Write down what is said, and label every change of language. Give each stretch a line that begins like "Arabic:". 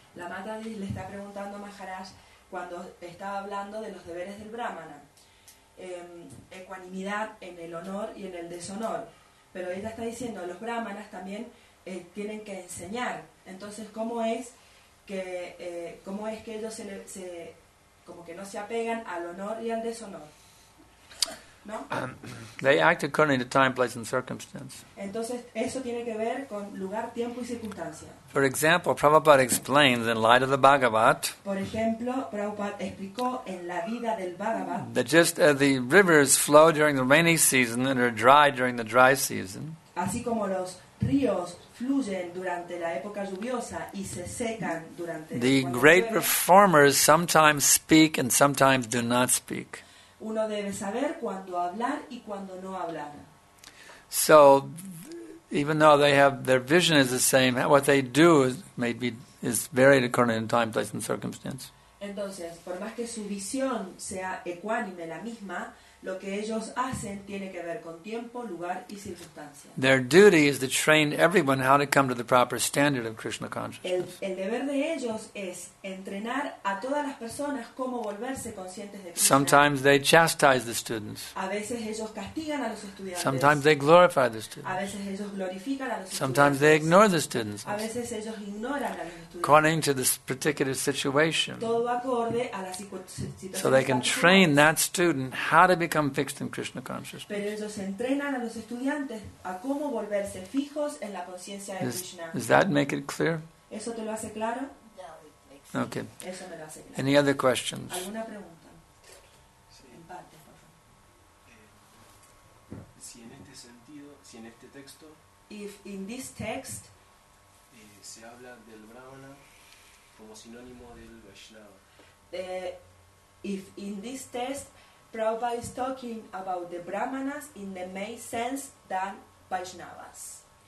Spanish: La Mataji le está preguntando a Maharaj cuando estaba hablando de los deberes del brahmana, ecuanimidad en el honor y en el deshonor. Pero ella está diciendo los brahmanas también tienen que enseñar. Entonces, cómo es que ellos se como que no se apegan al honor y al deshonor. No.
English: They act according to time, place, and circumstance.
Spanish: Entonces, eso tiene que ver con lugar, tiempo y circunstancia.
English: For example, Prabhupada explains in light of the Bhagavat.
Spanish: Por ejemplo, Prabhupada explicó en la vida del Bhagavat.
English: That just as the rivers flow during the rainy season and are dry during the dry season.
Spanish: Así como los ríos fluyen durante la época lluviosa y se secan durante.
English: The great reformers sometimes speak and sometimes do not speak.
Spanish: Uno debe saber cuándo hablar y cuándo no hablar.
English: So, even though they have their vision is the same, what they do is varied according to time, place, and circumstance.
Spanish: Entonces, por más que su visión sea ecuánime la misma, lo que ellos hacen tiene que ver con tiempo, lugar y circunstancia.
English: Their duty is to train everyone how to come to the proper standard of Krishna consciousness.
Spanish: El deber de ellos es entrenar a todas las personas cómo volverse conscientes de Krishna.
English: Sometimes they chastise the students.
Spanish: A veces ellos castigan a los estudiantes.
English: Sometimes they glorify the students.
Spanish: A veces ellos glorifican a los estudiantes.
English: Sometimes they ignore the students.
Spanish: A veces ellos ignoran a los estudiantes.
English: According to this particular situation.
Spanish: Todo acorde a la situación.
English: So they can train that student how to become fixed in Krishna consciousness.
Spanish: Pero ellos entrenan a los estudiantes a cómo volverse fijos en la conciencia de Krishna.
English: Does that make it clear?
Spanish: ¿Eso te lo hace claro? No,
English: okay.
Spanish: Eso me lo hace claro.
English: Any other questions?
Spanish: ¿Alguna pregunta? Sí. En parte, por favor. Si en este sentido, si en este texto,
English: if in this text,
Spanish: se habla del brahmana como sinónimo del vaishnava.
English: If in this text Prabhupada is talking about the brahmanas in the main sense than Vaishnavas.